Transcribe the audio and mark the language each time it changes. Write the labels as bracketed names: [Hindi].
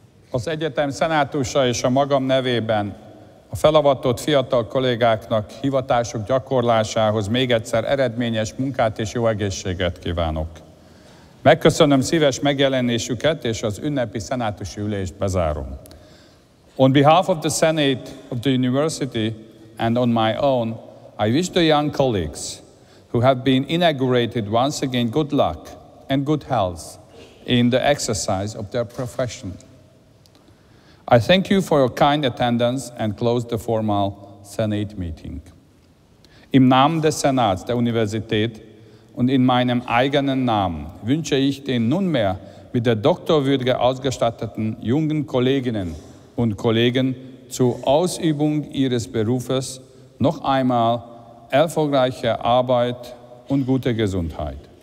[Hungarian] Az egyetem szenátusa és a magam nevében a felavatott fiatal kollégáknak hivatásuk gyakorlásához még egyszer eredményes munkát és jó egészséget kívánok. Megköszönöm szíves megjelenésüket, és az ünnepi szenátusi ülést bezárom. [English] On behalf of the Senate of the University and on my own, I wish the young colleagues who have been inaugurated once again good luck and good health in the exercise of their profession. I thank you for your kind attendance and close the formal Senate meeting. [German] Im Namen des Senats der Universität und in meinem eigenen Namen wünsche ich den nunmehr mit der Doktorwürde ausgestatteten jungen Kolleginnen und Kollegen zur Ausübung ihres Berufes noch einmal erfolgreiche Arbeit und gute Gesundheit.